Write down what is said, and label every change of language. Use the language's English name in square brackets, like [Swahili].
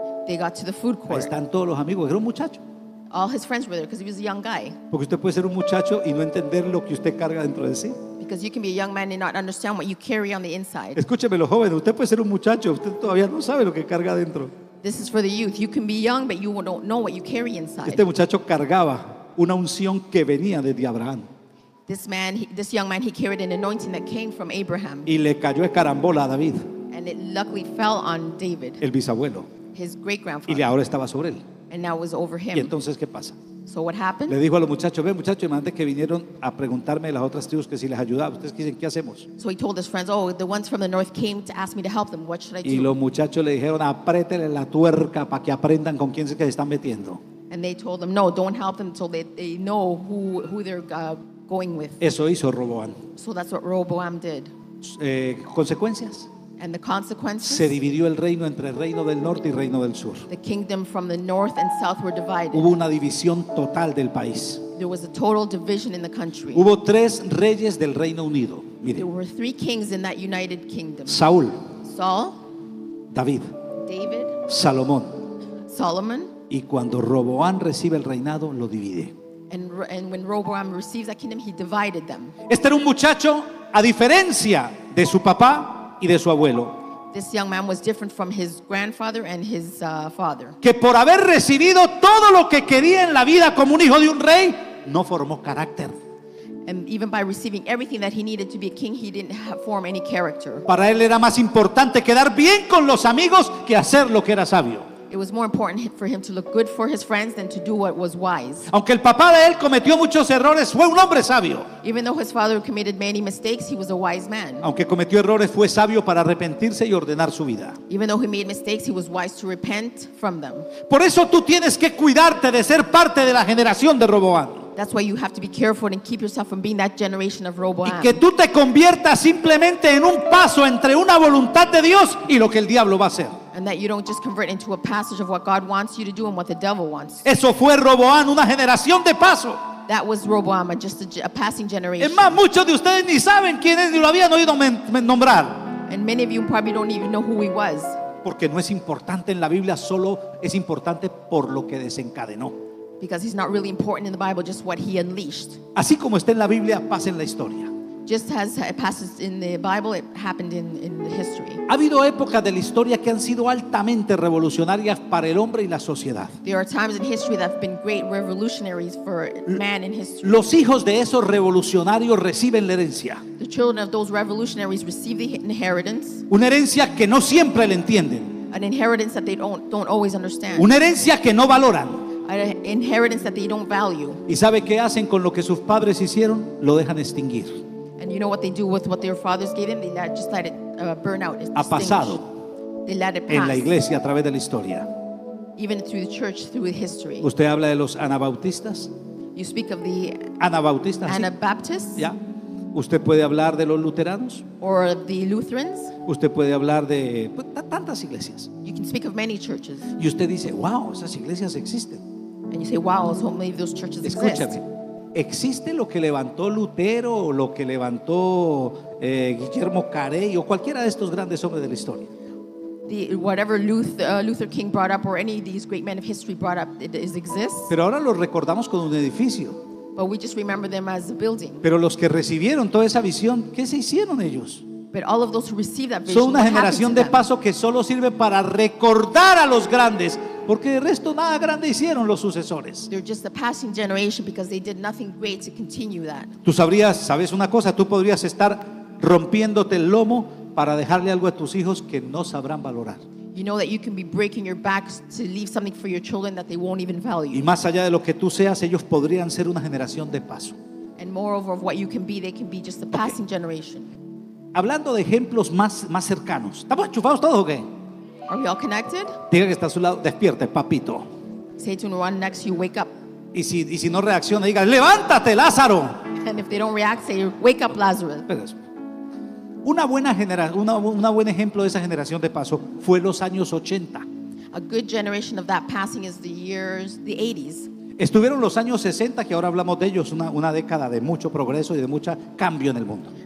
[English] They got to the food court. [Spanish] Están todos los amigos. Era un muchacho. [English] All his friends were there because he was a young guy. [Spanish] Porque usted puede ser un muchacho y no entender lo que usted carga dentro de sí. [English] Because you can be a young man and not understand what you carry on the inside. [Spanish] Escúcheme, los jóvenes. Usted puede ser un muchacho. Usted todavía no sabe lo que carga dentro. [English] This is for the youth. You can be young, but you don't know what you carry inside. [Spanish] Este muchacho cargaba una unción que venía desde Abraham. [English] This young man, he carried an anointing that came from Abraham. [Spanish] Y le cayó de carambola a David. [English] And it luckily fell on David. [Spanish] El bisabuelo. [English] His great grandfather. [Spanish] Y ahora estaba sobre él. [English] And now it was over him. [Spanish] Y entonces, ¿qué pasa? [English] So what happened? [Spanish] Le dijo a los muchachos, ve muchachos, imagínate que vinieron a preguntarme de las otras tribus que si les ayudaba. Ustedes dicen, ¿qué hacemos? [English] So he told his friends, the ones from the north came to ask me to help them. What should I do? [Spanish] Y los muchachos le dijeron, apriétele la tuerca para que aprendan con quién es que se están metiendo. [English] And they told them, no, don't help them until they know who they're going with. [Spanish] Eso hizo Roboam. [English] So that's what Roboam did. [Spanish] Consecuencias. [English] And the consequences. [Spanish] Se dividió el reino entre el reino del norte y el reino del sur. [English] The kingdom from the north and south were divided. [Spanish] Hubo una división total del país. [English] There was a total division in the country. [Spanish] Hubo tres reyes del Reino Unido. Mire. [English] There were three kings in that United Kingdom. [Spanish] Saúl. [English] Saul. [Spanish] David. [English] David. [Spanish] Salomón. [English] Solomon. [Spanish] Y cuando Roboam recibe el reinado, lo divide. [English] And when Roboam receives that kingdom, he divided them. [Spanish] Este era un muchacho, a diferencia de su papá y de su abuelo. [English] This young man was different from his grandfather and his father. [Spanish] Que por haber recibido todo lo que quería en la vida como un hijo de un rey, no formó carácter. [English] And even by receiving everything that he needed to be a king, he didn't form any character. [Spanish] Para él era más importante quedar bien con los amigos que hacer lo que era sabio. [English] It was more important for him to look good for his friends than to do what was wise. [Spanish] Aunque el papá de él cometió muchos errores, fue un hombre sabio. [English] Even though his father committed many mistakes, he was a wise man. [Spanish] Aunque cometió errores, fue sabio para arrepentirse y ordenar su vida. [English] Even though he made mistakes, he was wise to repent from them. [Spanish] Por eso tú tienes que cuidarte de ser parte de la generación de Roboam. [English] That's why you have to be careful and keep yourself from being that generation of Roboam. [Spanish] Y que tú te conviertas simplemente en un paso entre una voluntad de Dios y lo que el diablo va a hacer. [English] And that you don't just convert into a passage of what God wants you to do and what the devil wants. [Spanish] Eso fue Roboam, una generación de paso. [English] That was Roboam, just a passing generation. [Spanish] Es más, muchos de ustedes ni saben quién es, ni lo habían oído nombrar. [English] And many of you probably don't even know who he was. [Spanish] Porque no es importante en la Biblia, solo es importante por lo que desencadenó. [English] Because he's not really important in the Bible, just what he unleashed. [Spanish] Así como está en la Biblia, pasa en la historia. [English] Just as it passes in the Bible, it happened in the history. [Spanish] Ha habido épocas de la historia que han sido altamente revolucionarias para el hombre y la sociedad. [English] There are times in history that have been great revolutionaries for man in history. [Spanish] Los hijos de esos revolucionarios reciben la herencia. [English] The children of those revolutionaries receive the inheritance. [Spanish] Una herencia que no siempre le entienden. [English] An inheritance that they don't always understand. [Spanish] Una herencia que no valoran. [English] An inheritance that they don't value. [Spanish] ¿Y sabe qué hacen con lo que sus padres hicieron? Lo dejan extinguir. [English] And you know what they do with what their fathers gave them? They just let it burn out. [Spanish] Ha pasado. [English] They let it pass. [Spanish] En la iglesia a través de la historia. [English] Even through the church, through history. [Spanish] ¿Usted habla de los anabautistas? [English] You speak of the [Spanish] anabautistas. [English] Anabaptists. [Spanish] ¿Sí? [English] Yeah. [Spanish] ¿Usted puede hablar de los luteranos? [English] Or the Lutherans. [Spanish] ¿Usted puede hablar de tantas iglesias? [English] You can speak of many churches. [Spanish] Y usted dice, wow, esas iglesias existen. [English] And you say, wow, so many of those churches exist. [Spanish] Escúchame. ¿Existe lo que levantó Lutero o lo que levantó Guillermo Carey o cualquiera de estos grandes hombres de la historia? [English] The, whatever Luther King brought up or any of these great men of history brought up, it exists. [Spanish] Pero ahora los recordamos con un edificio. [English] But we just remember them as a building. [Spanish] Pero los que recibieron toda esa visión, ¿qué se hicieron ellos? [English] But all of those who received that vision, [Spanish] son una generación de paso que solo sirve para recordar a los grandes. Porque de resto nada grande hicieron los sucesores. [English] They're just a passing generation because they did nothing great to continue that. [Spanish] Tú sabrías, sabes una cosa, tú podrías estar rompiéndote el lomo para dejarle algo a tus hijos que no sabrán valorar. [English] You know that you can be breaking your back to leave something for your children that they won't even value. [Spanish] Y más allá de lo que tú seas, ellos podrían ser una generación de paso. [English] And moreover of what you can be, they can be just a passing generation. [Spanish] Hablando de ejemplos más cercanos, ¿estamos enchufados todos o qué? [English] Are we all connected? [Spanish] Diga que está a su lado, despierte, papito. [English] Say to one next to you, wake up. [Spanish] Y si no reacciona, diga, levántate, Lázaro. [English] And if they don't react, say, wake up, Lazarus. [Spanish] Una buen ejemplo de esa generación de paso fue los años 80. [English] A good generation of that passing is the 80s. [Spanish] Estuvieron los años 60, que ahora hablamos de ellos, una década de mucho progreso y de mucho cambio en el mundo.